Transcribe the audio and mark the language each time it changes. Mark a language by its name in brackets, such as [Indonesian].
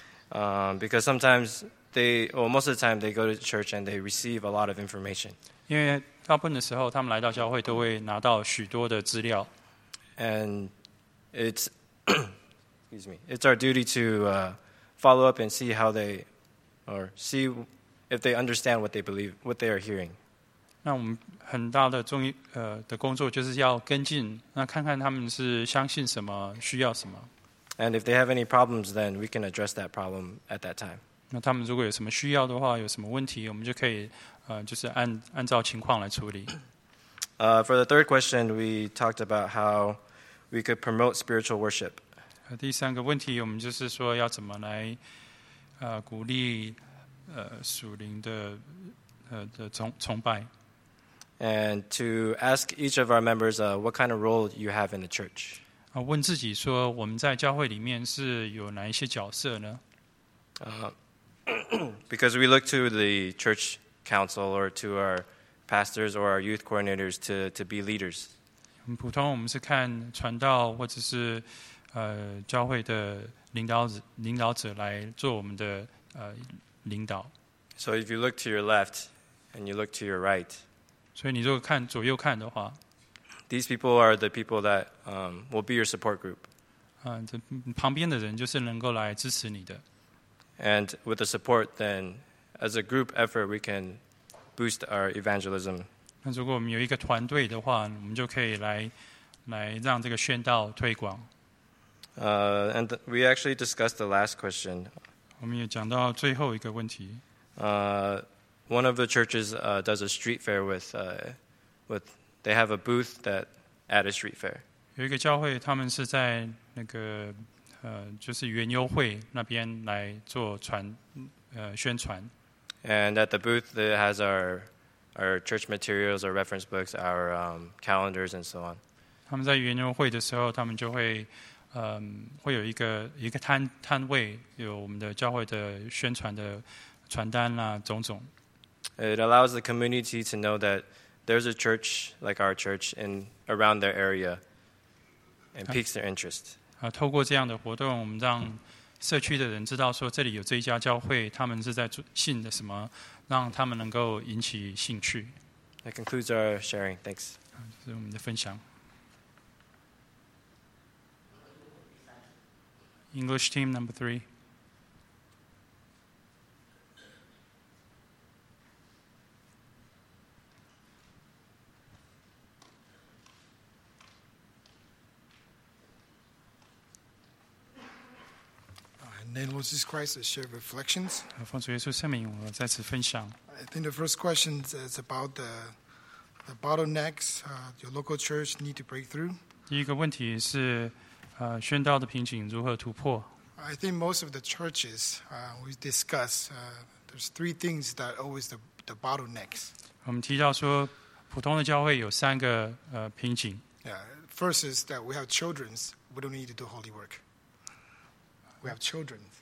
[English] Because sometimes most of the time they go to church and they receive a lot of information. [Chinese] 因为大部分的时候他们来到教会都会拿到许多的资料。 [English] And it's our duty to follow up and see how they or see if they understand what they believe, what they are hearing. [Chinese] 那我们很大的的工作就是要跟进，那看看他们是相信什么，需要什么。 [English] And if they have any problems, then we can address that problem at that time. [Chinese] 那他们如果有什么需要的话，有什么问题，我们就可以就是按照情况来处理。 [English] For the third question, we talked about how we could promote spiritual worship. [Chinese] 第三个问题，我们就是说要怎么来鼓励属灵的崇拜。 [English] And to ask each of our members, what kind of role you have in the church. [Chinese] 问自己说，我们在教会里面是有哪一些角色呢？ [English] Because we look to the church council or to our pastors or our youth coordinators to be leaders. [Chinese] 普通我们是看传道或者是教会的领导者来做我们的领导。 [English] So if you look to your left and you look to your right, [Chinese] 所以你如果看左右看的话， [English] these people are the people that will be your support group. [Chinese] 旁边的人就是能够来支持你的。 [English] And with the support, then as a group effort, we can boost our evangelism. [Chinese] 那如果我们有一个团队的话，我们就可以来让这个宣道推广。 [English] And we actually discussed the last question. [Chinese] 我们也讲到最后一个问题。 [English] One of the churches does a street fair with they have a booth that at a street fair. [Chinese] 有一个教会，他们是在那个就是园游会那边来做宣传。 [English] And at the booth that has our church materials, our reference books, our calendars, and so on. [Chinese] 他们在园游会的时候，他们就会会有一个摊位，有我们的教会的宣传的传单啦，种种。 [English] It allows the community to know that there's a church like our church in around their area, and piques their interest. [Chinese] 透过这样的活动，我们让社区的人知道说这里有这一家教会，他们是在信的什么，让他们能够引起兴趣。 [English] That concludes our sharing. Thanks. [Chinese] 这是我们的分享。 [English] English team number three. Name Lord Jesus Christ, I share reflections. [Chinese] 奉主耶稣圣名，我再次分享。 [English] I think the first question is about the bottlenecks your local church need to break through. [Chinese] 第一个问题是，宣道的瓶颈如何突破 [English] ？I think most of the churches we discuss there's three things that always the bottlenecks. [Chinese] 我们提到说，普通的教会有三个瓶颈。 [English] Yeah, first is that we have children, we don't need to do holy work.We have children.